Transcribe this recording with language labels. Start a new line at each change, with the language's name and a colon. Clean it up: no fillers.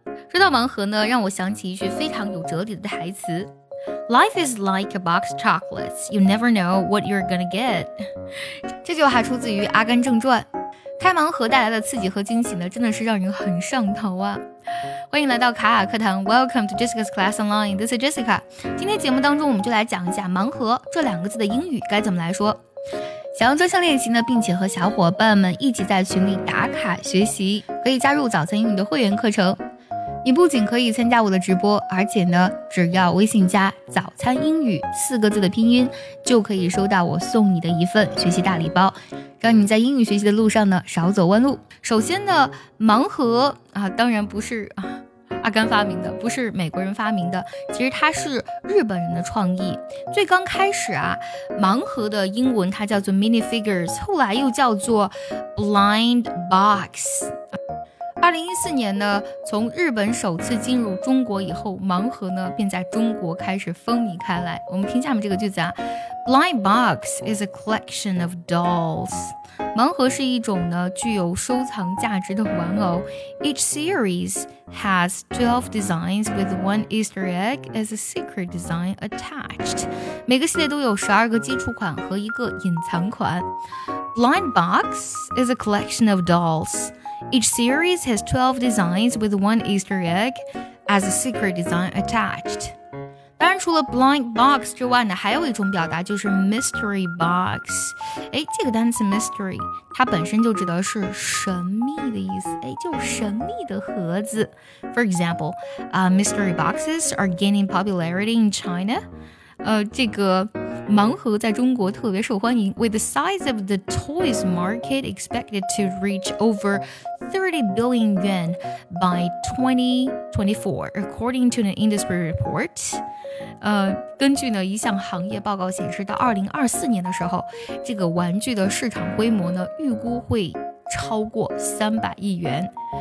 Chinese: 说到盲盒呢，让我想起一句非常有哲理的台词。
English: Life is like a box of chocolates. You never know what you're gonna get.
Chinese: 这句话出自于《阿甘正传》。开盲盒带来的刺激和惊喜呢，真的是让人很上头啊。欢迎来到卡卡课堂
English: Welcome to Jessica's Class Online. This is Jessica.
Chinese: 今天节目当中我们就来讲一下盲盒这两个字的英语该怎么来说。想要专项练习呢，并且和小伙伴们一起在群里打卡学习，可以加入早餐英语的会员课程。你不仅可以参加我的直播，而且呢，只要微信加早餐英语四个字的拼音，就可以收到我送你的一份学习大礼包，让你在英语学习的路上呢少走弯路。首先呢，盲盒啊，当然不是阿甘发明的，不是美国人发明的，其实它是日本人的创意。最刚开始啊，盲盒的英文它叫做 minifigures， 后来又叫做 blind box。 2014年呢，从日本首次进入中国以后，盲盒呢便在中国开始风靡开来。我们听下面这个句子啊 ，
English: Blind box is a collection of dolls。
Chinese: 盲盒是一种呢具有收藏价值的玩偶。
English: Each series has 12 designs with one Easter egg as a secret design attached。
Chinese: 每个系列都有12个基础款和一个隐藏款。
English: Blind box is a collection of dolls. Each series has 12 designs with one Easter egg as a secret design attached.
Chinese: 当然除了 blind box 之外呢，还有一种表达就是 mystery box. 哎，这个单词 mystery 它本身就指的是神秘的意思，哎，就神秘的盒子。
English: For example,mystery boxes are gaining popularity in China.
Chinese: 这个盲盒在中国特别受欢迎
English: With the size of the toys market expected to reach over 30 billion yuan by 2024 According to an industry report
Chinese: 根据呢一项行业报告显示到2024年的时候这个玩具的市场规模呢预估会超过300亿元